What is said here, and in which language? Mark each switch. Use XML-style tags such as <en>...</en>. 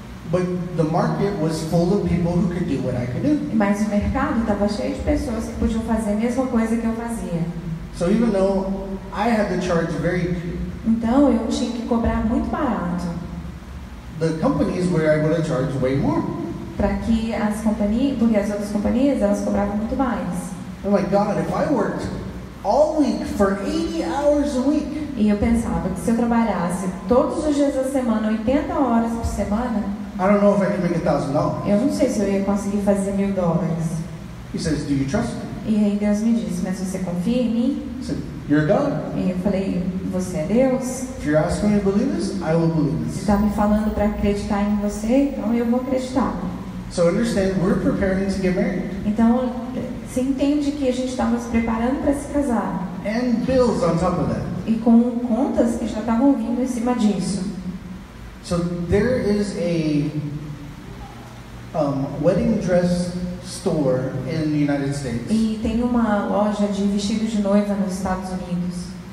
<en>But the market was full of people who could do what I could do.</en> <pt>Mas o mercado estava cheio de pessoas que podiam fazer a mesma coisa que eu fazia.</pt> <en>So even though I had to charge very,</en> <pt>então eu tinha que cobrar muito barato.</pt> <en>The companies were able to charge way more.</en> <pt>Para que as companhias, porque as outras companhias elas cobravam muito mais.</pt> <en>I'm like, God, if I worked all week for 80 hours a week.</en> <pt>E eu pensava que se eu trabalhasse todos os dias da semana 80 horas por semana.</pt> <en>I don't know if I can make $1,000.</en> <pt>Eu não sei se eu ia conseguir fazer $1,000.</pt> <en>He says, do you trust me?</en> <pt>E aí Deus me disse, mas você confia em mim?</pt> <en>I said, you're God.</en> <pt>E eu falei, você é Deus.</pt> <en>If you're asking me to believe this, I will believe this.</en> <pt>Você está me falando para acreditar em você, então eu vou acreditar.</pt> <en>So understand, we're preparing to get married.</en> <pt>Então, você entende que a gente estava se preparando para se casar.</pt> <en>And bills on top of that.</en> <pt>E com contas que já estavam vindo em cima disso.</pt> <en>So there is a wedding dress store in the United States.</en> <pt>E tem uma loja de vestidos de noiva nos Estados Unidos.</pt>